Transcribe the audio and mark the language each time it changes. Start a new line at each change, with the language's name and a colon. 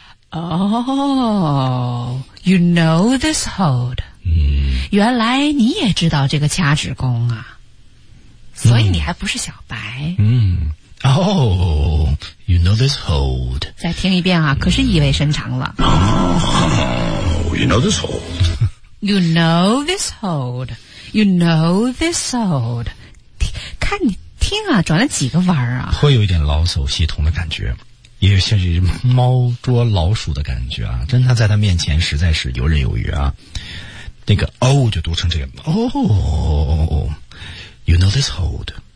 English: Oh, you know this hold. 嗯，
Chinese: 原来你也知道这个掐指功啊，所以你还不是小白。
English: 嗯。Oh, you know this hold.
Chinese: 再听一遍啊，可是意味深长了。
English: Oh, you know this hold. You know this hold, you know this hold.
Chinese: 看你听啊，转了几个弯啊，颇有一点老手系统的感觉，也有像是猫捉老鼠的感觉啊，真的在他面前实在是游刃有余啊。
English: 那个 O、oh, 就读成这个 O,、oh, you know this hold.